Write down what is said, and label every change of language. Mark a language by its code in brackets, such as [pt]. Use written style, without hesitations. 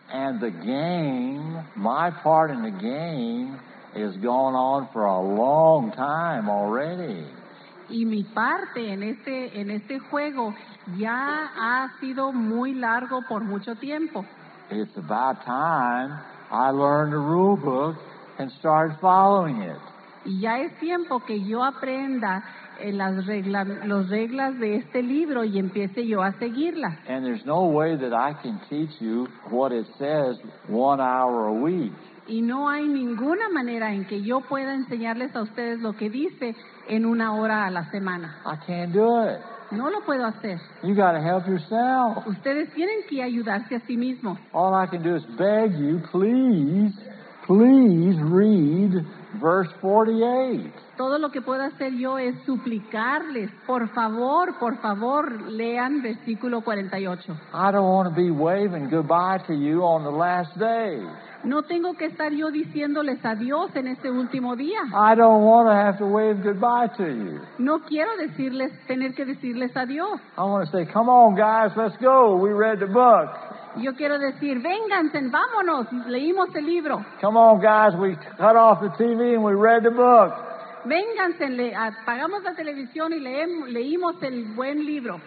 [en] And the game, my part in the game, has gone on for a long time already. [es] Y mi parte en este juego ya ha sido muy largo por mucho tiempo. [en] It's about time I learned the rule book and started following it. [es] Y ya es tiempo que yo aprenda las reglas de este libro y empiece yo a seguirlas. [en] And there's no way that I can teach you what it says 1 hour a week. [es] Y no hay ninguna manera en que yo pueda enseñarles a ustedes lo que dice en 1 hora a la semana. [en] I can't do it. [es] No lo puedo hacer. [en] You gotta help yourself. [es] Ustedes tienen que ayudarse a sí mismos. [en] All I can do is beg you, please, please read verse 48. [es] Todo lo que puedo hacer yo es suplicarles, por favor, lean versículo 48. [en] I don't want to be waving goodbye to you on the last day. [es] No tengo que estar yo diciéndoles adiós en este último día. [en] I don't want to have to wave goodbye to you. [es] No quiero decirles, tener que decirles adiós. [en] I want to say, come on guys, let's go, we read the book. [es] Yo quiero decir, vénganse, vámonos, leímos el libro. [en] Come on guys, we cut off the TV and we read the book. [es] Vénganse, apagamos la televisión y leímos el buen libro.